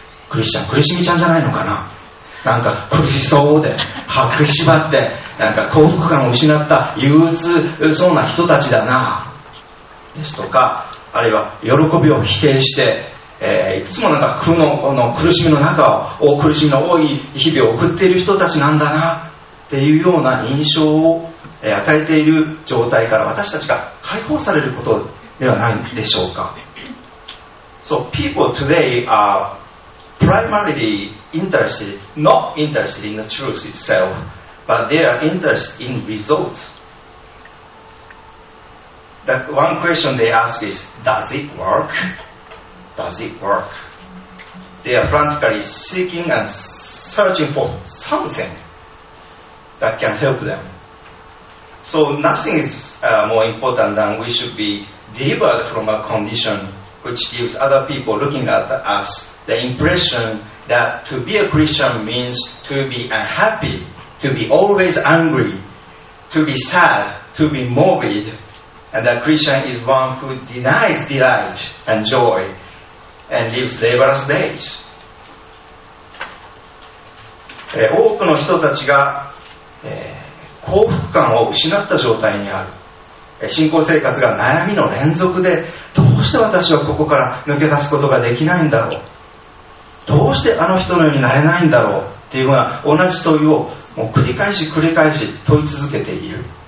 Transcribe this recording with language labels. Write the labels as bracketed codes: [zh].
[ja] クリスチャン苦しみちゃんじゃないのかな、なんか苦しそうで歯食いしばってなんか幸福感を失った憂鬱そうな人たちだなですとか、あるいは喜びを否定して、いつもなんか この苦しみの中を苦しみの多い日々を送っている人たちなんだなっていうような印象を与えている状態から私たちが解放されることではないでしょうか。 [en] So people today are primarily interested, not interested in the truth itself, but they are interested in results. The one question they ask is, does it work? Does it work? They are frantically seeking and searching for something that can help them. So nothing is more important than we should be delivered from a condition which gives other people looking at us the impression that to be a Christian means to be unhappy, to be always angry, to be sad, to be morbid, and that Christian is one who denies delight and joy and lives laborious days. [ja] 多くの人たちが幸福感を失った状態にある。信仰生活が悩みの連続で、どうして私はここから抜け出すことができないんだろう、どうしてあの人のようになれないんだろうっていうような同じ問いをもう繰り返し繰り返し問い続けている。